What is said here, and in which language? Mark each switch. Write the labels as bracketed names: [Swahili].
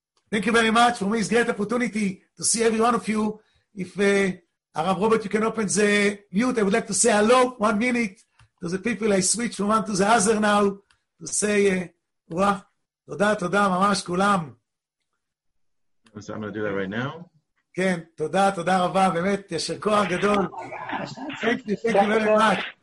[English] Thank you very much. For me, it's great opportunity to see every one of you. If Rav Robert, you can open the mute, I would like to say hello, 1 minute, to the people. I switch from one to the other now, to say, wow, [Hebrew] תודה, תודה, ממש, כולם. [English] So I'm going to do that right now. [Hebrew] כן, תודה, תודה רבה, באמת, ישר כוח גדול. [English] Thank you, thank you very much.